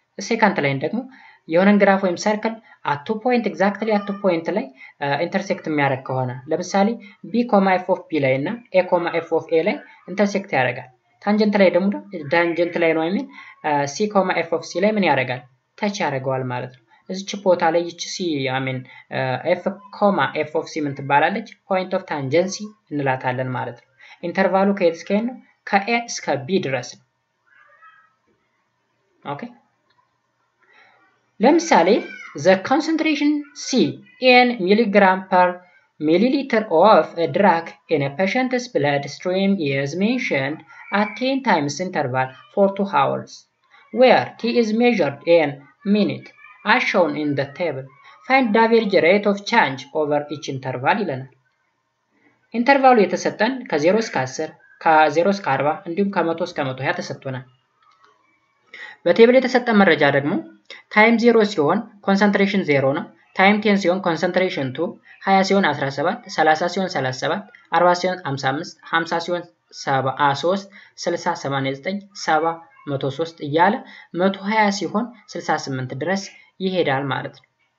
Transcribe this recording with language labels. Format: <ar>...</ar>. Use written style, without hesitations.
<am>ሴካንት ላይን ደግሞ የሆነን ግራፍ ወይም ሰርክል አት ቱ ፖይንት ኤግዛክትሊ አት ቱ ፖይንት ላይ ኢንተርሴክት የሚያደርግ ከሆነ ለምሳሌ b, f of b ላይ እና a, f of a ላይ ኢንተርሴክት ያደርጋል ታንጀንት ላይ ደግሞ ታንጀንት ላይን ወይም c, f of c ላይ ምን ያደርጋል ታች ያረጋል ማለት ነው እዚች ቦታ ላይ እቺ ሲ አሚን ኤፍ ኮማ ኤፍ ኦፍ ሲ ምን ትባላለች?</am> <en>point of tangency</en> <am>እንላታለን ማለት ነው። ኢንተርቫሉ ከኤ እስከ ኤን ከኤ እስከ ቢ ድረስ ኦኬ። ለምሳሌ</am> <en>the concentration c in milligram per milliliter of a drug in a patient's bloodstream is mentioned at 10 times interval for 2 hours where t is measured in minute as shown in the table. Find the average rate of change over each interval</en> <am>ይለናል። ኢንተርቫሉ የተሰጠን ከ0 እስከ 10 ከ0 እስከ 40 እንዲሁም ከ100 እስከ 120 ተሰጥቷል። በቴብል የተሰጠን መረጃ ደግሞ ታይም 0 ሲሆን concentration 0 ነው። ታይም 10 ሲሆን concentration 2 20 ሲሆን 17 30 ሲሆን 37 40 ሲሆን 55 50 ሲሆን 73 60 89 70 103 እያለ 120 ሲሆን 68 ድረስ ይሄዳል ማለት ነው።</am>